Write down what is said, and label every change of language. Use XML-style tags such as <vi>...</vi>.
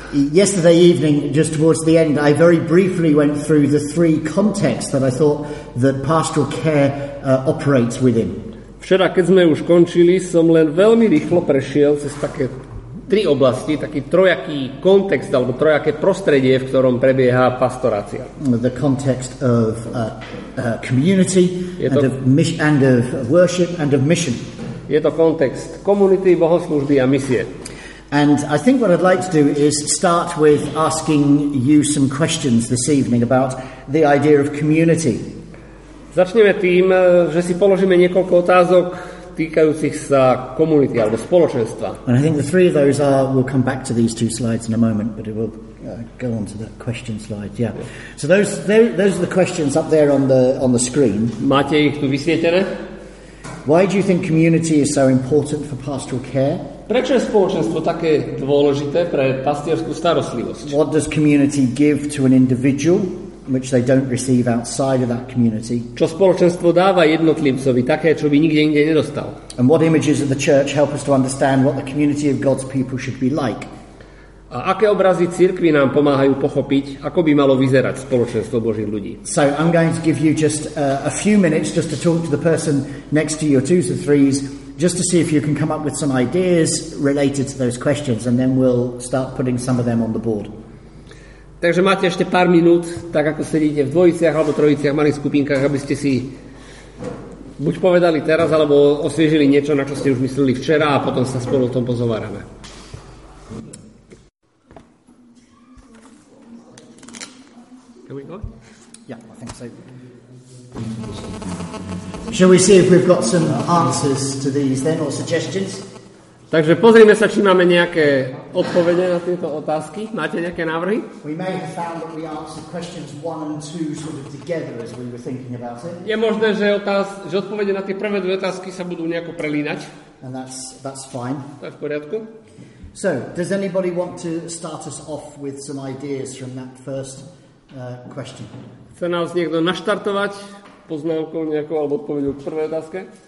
<en>Yesterday evening, just towards the end, I very briefly went through the three contexts that I thought that pastoral care operates within.</en> <sk>Včera, keď sme už končili, som len veľmi rýchlo prešiel cez také tri oblasti, taký trojaký kontext alebo trojaké prostredie, v ktorom prebieha pastorácia.</sk> <en>The context of community and of worship and of mission.</en> <sk>Je to kontext komunity, bohoslužby a misie.</sk> <en>And I think what I'd like to do is start with asking you some questions this evening about the idea of community.</en> <sk>Začneme tým, že si položíme niekoľko otázok týkajúcich sa komunity alebo spoločenstva.</sk> <en>And I think the three of those are, we'll come back to these two slides in a moment, but it will go on to that question slide. Yeah. So those are the questions up there on the screen.</en> <sk>Máte ich tu vysvietené?</sk> <en>Why do you think community is so important for pastoral care?</en> <sk>Prečo je spoločenstvo také dôležité pre pastierskú starostlivosť?</sk> <en>What does community give to an individual which they don't receive outside of that community?</en> <sk>Čo spoločenstvo dáva jednotlivcovi také, čo by nikde inde nedostal?</sk> <en>And what images of the church help us to understand what the community of God's people should be like?</en> <sk>A aké obrazy cirkvi nám pomáhajú pochopiť, ako by malo vyzerať spoločenstvo Božích ľudí?</sk> <en>So I'm going to give you just a few minutes just to talk to the person next to you, twos or threes, just to see if you can come up with some ideas related to those questions, and then we'll start putting some of them on the board.</en> <sk>Takže máte ešte pár minút, tak ako sedíte v dvojiciach alebo trojiciach, malých skupinkách, aby ste si buď povedali teraz, alebo osviežili niečo, na čo ste už mysleli včera, a potom sa spolu o tom pozovárame.</sk> <en>Can we go? Yeah, I think so. Shall we see if we've got some answers to these then, or suggestions?</en> <sk>Takže pozrime sa, či máme nejaké odpovede na tieto otázky. Máte nejaké návrhy?</sk> <en>We may have found that we answered questions one and two sort of together as we were thinking about it.</en> <sk>Je možné, že odpovede na tie prvé dve otázky sa budú nejako prelínať.</sk> <en>And that's fine.</en> <sk>To je v poriadku.</sk> <en>So, does anybody want to start us off with some ideas from that first question?</en> <sk>Chce nás niekto naštartovať poznámkou nejakou alebo odpovedou k prvej otázke?</sk>